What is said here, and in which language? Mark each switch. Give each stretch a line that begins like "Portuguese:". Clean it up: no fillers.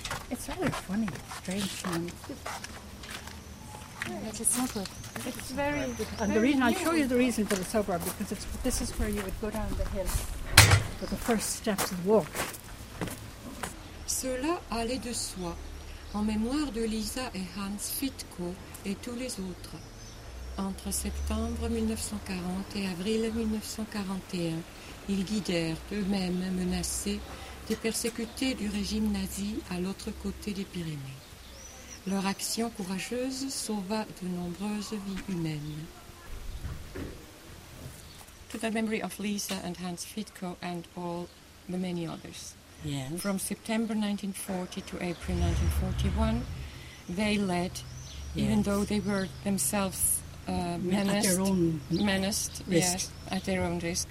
English: It's rather funny, strange thing. It's suburb. It's very. And the reason, I'll show you the reason for the suburb, because this is where you would go down the hill for the first steps of the walk.
French: Cela allait de soi. En mémoire de Lisa et Hans Fitko et tous les autres, entre septembre 1940 et avril 1941, ils guidèrent, eux-mêmes menacés, des persécutés du régime nazi à l'autre côté des Pyrénées. Leur action courageuse sauva de nombreuses vies humaines.
English: To the memory of Lisa and Hans Fitko and all the many others. Yes. From September 1940 to April 1941, they led, yes, even though they were themselves menaced at their own risk.